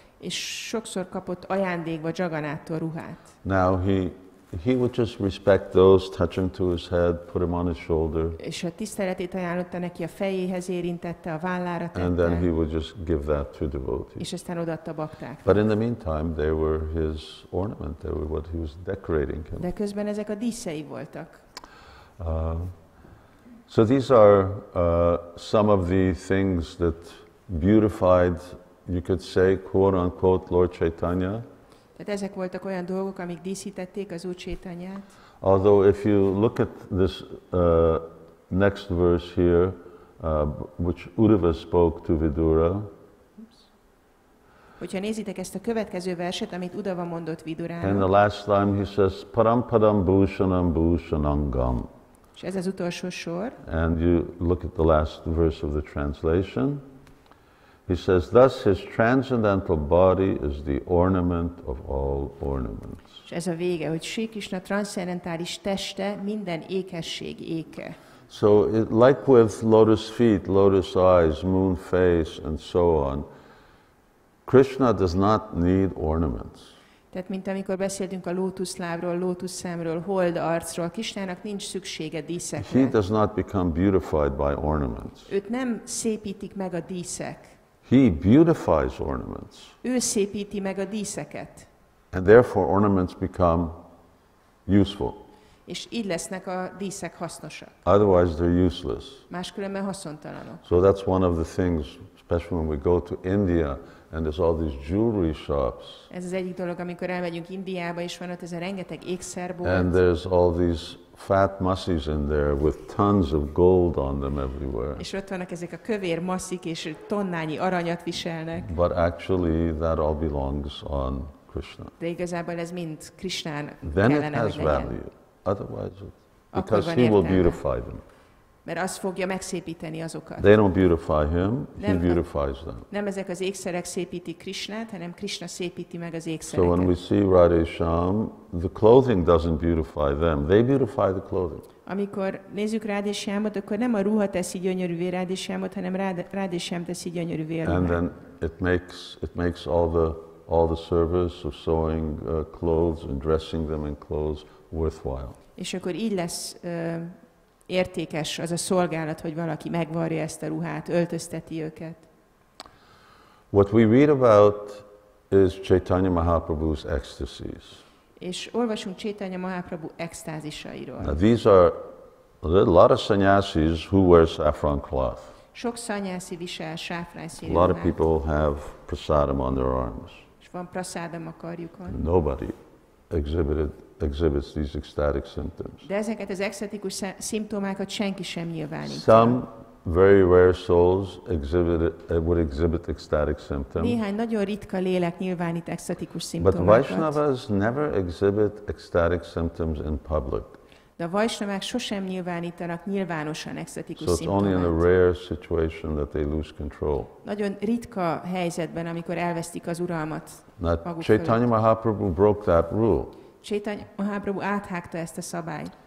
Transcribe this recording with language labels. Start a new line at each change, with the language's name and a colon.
Hungarian: És sokszor kapott ajándékba Jagannáttól ruhát.
English: Now he would just respect those, touch him to his head, put him on his shoulder.
Hungarian: És a tiszteletét ajánlotta neki, a fejéhez érintette, a vállára tette.
English: And then he would just give that to devotees.
Hungarian: És aztán odaadta a bakták.
English: But in the meantime, they were his ornament, they were what he was decorating him.
Hungarian: De közben ezek a díszei voltak.
English: So these are some of the things that beautified, you could say, quote unquote, Lord Chaitanya.
Hungarian: Tehát ezek voltak olyan dolgok, amik díszítették az Úr Chaitanyát.
English: Although if you look at this next verse here, which Uddhava spoke to Vidura.
Hungarian: Hogyha nézitek ezt a következő verset, amit Uddhava mondott Vidurának.
English: And the last time he says,
Sanskrit: param param bhushanam bhushanangam.
Hungarian: És ez az utolsó sor.
English: And you look at the last verse of the translation. He says, thus his transcendental body is the ornament of all ornaments.
Hungarian: És ez a vége, hogy Sri Krishna transzcendentális teste minden ékesség éke.
English: So it, like with lotus feet, lotus eyes, moon face, and so on, Krishna does not need ornaments.
Hungarian: Tehát, mint amikor beszéltünk a lótuszlábról, lótuszszemről, hold arcról, Krisnának nincs szüksége díszekre.
English: He does not become beautified by ornaments.
Hungarian: Őt nem szépítik meg a díszek.
English: He beautifies ornaments.
Hungarian: Ő szépíti meg a díszeket.
English: And therefore ornaments become useful.
Hungarian: És így lesznek a díszek hasznosak.
English: Otherwise they're useless.
Hungarian: Máskülönben haszontalanok.
English: So that's one of the things, especially when we go to India, and there's all these jewelry shops.
Hungarian: Ez az egyik dolog, amikor elmegyünk Indiába, és van ott ez a rengeteg ékszerbolt.
English: And there's all these fat mussies in there with tons of gold on them everywhere.
Hungarian: És ott vannak ezek a kövér masszik, és tonnányi aranyat viselnek.
English: But actually that all belongs on Krishna.
Hungarian: De igazából ez mind Krishnának.
English: Then it has value. Otherwise, because he will beautify them.
Hungarian: Mert az fogja megszépíteni azokat.
English: They don't beautify him, he beautifies them.
Hungarian: Nem ezek az ékszerek szépítik Krishnát, hanem Krishna szépíti meg az ékszereket.
English: So when we see Radhe Shyam, the clothing doesn't beautify them, they beautify the clothing.
Hungarian: Amikor nézzük Radhe Shyamot, akkor nem a ruha teszi gyönyörűvé Radhe Shyamot, hanem Radhe Shyam teszi gyönyörűvé a ruhát.
English: And then it makes all the service of sewing clothes and dressing them in clothes worthwhile.
Hungarian: És akkor így lesz értékes az a szolgálat, hogy valaki megvarja ezt a ruhát, öltözteti őket.
English: What we read about is Chaitanya Mahaprabhu's ecstasies.
Hungarian: És olvasunk Chaitanya Mahaprabhu extázisairól.
English: Now these are a lot of sannyasis who wear saffron cloth.
Hungarian: Sok sannyasi visel sáfrán színű ruhát.
English: A lot of people have prasadam on their arms.
Hungarian: És van prasadam a karjukon.
English: Nobody exhibits these ecstatic symptoms.
Hungarian: De ezeket az ecstatikus szimptomákat senki sem nyilvánítja.
English: Some very rare souls would exhibit ecstatic symptoms.
Hungarian: Néhány nagyon ritka lélek nyilvánít ecstatikus szimptomákat.
English: But Vaishnavas never exhibit ecstatic symptoms in public.
Hungarian: De a Vaishnavák sosem nyilvánítanak nyilvánosan ecstatikus szimptomát.
English: So it's only in a rare situation that they lose control.
Hungarian: Nagyon ritka helyzetben, amikor elvesztik az uralmat.
English: Now, Chaitanya Mahaprabhu broke that rule.
Hungarian: Chaitanya Mahaprabhu áthágta ezt a szabályt.